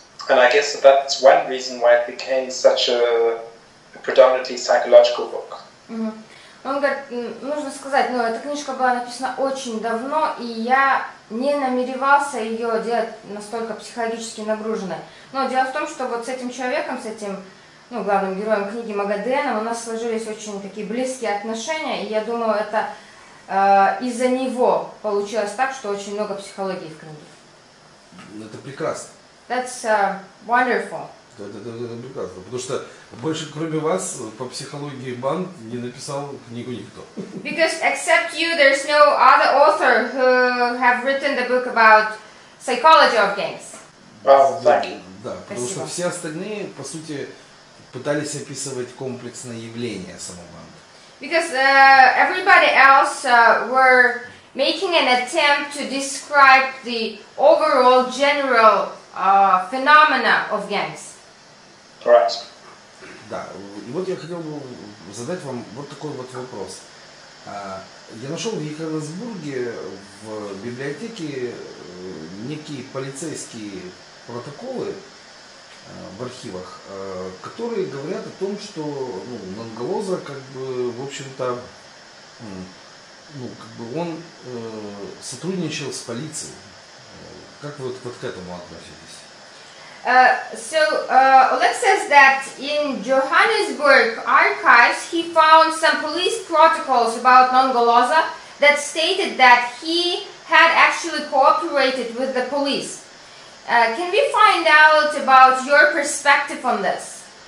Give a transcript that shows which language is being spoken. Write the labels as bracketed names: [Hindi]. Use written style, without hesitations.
[English] And I guess that's one reason why it became such a predominantly psychological book. Mm-hmm. [Russian] Он говорит, нужно сказать, ну, эта книжка была написана очень давно, и я не намеревался ее делать настолько психологически нагруженной. Но дело в том, что вот с этим человеком, с этим, ну, главным героем книги Магаденом, у нас сложились очень такие близкие отношения, и я думаю, это из-за него получилось так, что очень много психологии в книге. Это прекрасно. [English] That's wonderful. [Russian] Это прекрасно, потому что больше кроме вас по психологии банд не написал книгу никто. [English] Because except you, there's no other author who have written the book about psychology of gangs. [Russian] Да, потому что все остальные, по сути, пытались описывать комплексное явление самого банда. [English] Because everybody else were making an attempt to describe the overall general phenomena of gangs. [Russian] Да, и вот я хотел бы задать вам вот такой вот вопрос. Я нашел в Екатеринбурге в библиотеке некие полицейские протоколы в архивах, которые говорят о том, что, ну, Нонголоза, как бы, в общем-то, ну, как бы он сотрудничал с полицией. Как вы вот к этому относитесь? [English] Oleg says that in Johannesburg archives he found some police protocols about Nongoloza that stated that he had actually cooperated with the police. Can we find out about your perspective on this?